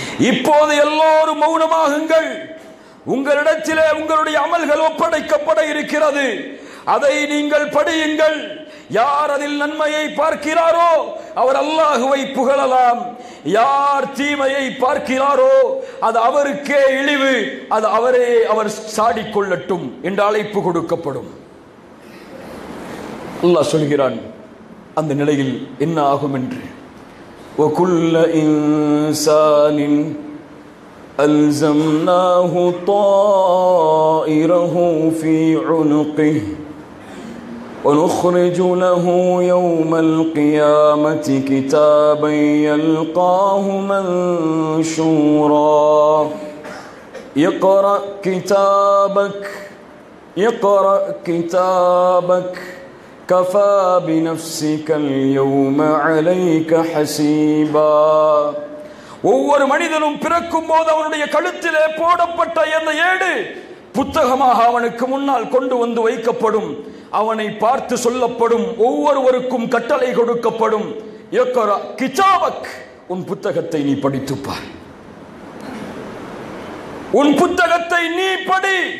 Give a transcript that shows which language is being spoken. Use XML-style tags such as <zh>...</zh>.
<ta>இப்போது எல்லோரும் மௌனமாகுங்கள். உங்களிடத்திலே உங்களுடைய அமல்கள் ஒப்படைக்கப்பட இருக்கிறது, அதை நீங்கள் படியுங்கள். யார் அதில் நன்மையை பார்க்கிறாரோ அவர் அல்லாஹுவை புகழலாம், யார் தீமையை பார்க்கிறாரோ அது அவருக்கே இழிவு, அது அவரே அவர் சாடிக்கொள்ளட்டும் என்று அழைப்பு கொடுக்கப்படும். அல்லாஹ் சொல்கிறான், அந்த நிலையில் என்ன ஆகும் என்று,</ta> <ar>وكل انسان الزمناه طائره في عنقه ونخرج له يوم القيامه كتابا يلقاه منشورا اقرا كتابك اقرا كتابك كفى بنفسك اليوم عليك حسيبا.</ar> <ta>ஒவ்வொரு மனிதனும் பிறக்கும் போது அவனுடைய கழுத்திலே போடப்பட்ட அந்த ஏடு புத்தகமாக அவனுக்கு முன்னால் கொண்டு வந்து வைக்கப்படும். அவனை பார்த்து சொல்லப்படும், ஒவ்வொருவருக்கும் கட்டளை கொடுக்கப்படும்,</ta> <ar>யக்ரா கிதாபக்,</ar> <ta>உன் புத்தகத்தை நீ படித்துப்பார், உன் புத்தகத்தை நீ படி.</ta>